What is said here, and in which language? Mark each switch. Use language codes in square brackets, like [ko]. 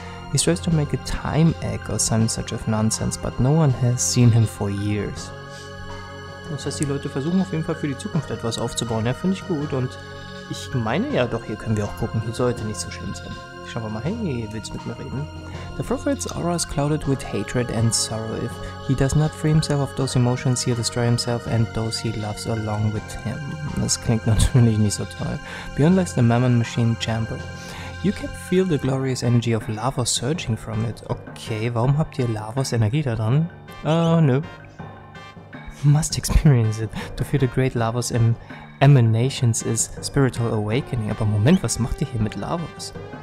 [en] He tries to make a time egg or some such of nonsense, but no one has seen him for years. [de] Das heißt, die Leute versuchen auf jeden Fall für die Zukunft etwas aufzubauen. Ja, finde ich gut. Und ich meine ja doch, hier können wir auch gucken. Hier sollte nicht so schlimm sein. Schauen wir mal, hey, willst du mit mir reden? [en] The Prophet's aura is clouded with hatred and sorrow. If he does not free himself of those emotions, he'll destroy himself and those he loves along with him. [de] Das klingt natürlich nicht so toll. [en] Beyond lies the Mammon Machine Chamber. You can feel the glorious energy of lava surging from it. [de] Okay, warum habt ihr Lavas Energie da dran? [en] Nö. Must experience it. To feel the great lava's emanations is spiritual awakening. [de] Aber Moment, was macht ihr hier mit Lavas?